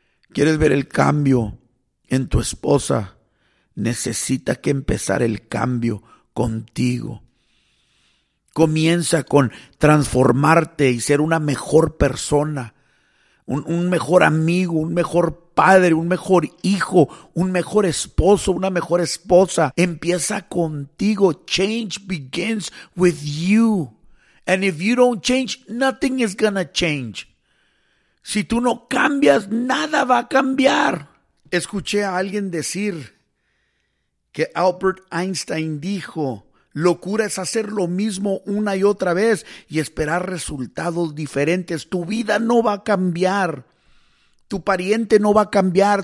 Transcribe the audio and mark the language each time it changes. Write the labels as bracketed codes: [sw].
[es] ¿Quieres ver el cambio en tu esposa? Necesita que empezar el cambio contigo. Comienza con transformarte y ser una mejor persona. Un mejor amigo, un mejor padre, un mejor hijo, un mejor esposo, una mejor esposa. Empieza contigo. [en] Change begins with you. And if you don't change, nothing is gonna change. [es] Si tú no cambias, nada va a cambiar. Escuché a alguien decir que Albert Einstein dijo, locura es hacer lo mismo una y otra vez y esperar resultados diferentes. Tu vida no va a cambiar. Tu pariente no va a cambiar.